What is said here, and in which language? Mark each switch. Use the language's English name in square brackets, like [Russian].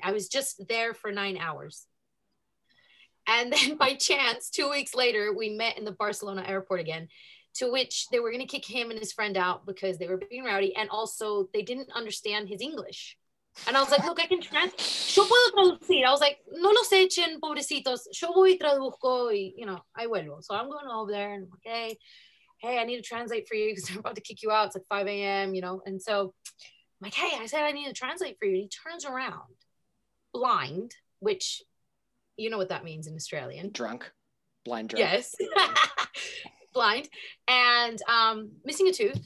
[English] I was just there for 9 hours. And then by chance, 2 weeks later, we met in the Barcelona Airport again, to which they were going to kick him and his friend out because they were being rowdy. And also, they didn't understand his English. And I was like, look, I can translate. [Spanish] Yo puedo traducir. [English] I was like, [Spanish] no los echen, pobrecitos. Yo voy y traduzco y, I vuelvo. [English] So I'm going over there and, okay, hey, I need to translate for you because they're about to kick you out. It's like 5 a.m., And so I'm like, hey, I said I need to translate for you. And he turns around blind, which, you know what that means in Australian. Drunk. Blind drunk. Yes. Blind. And missing a tooth.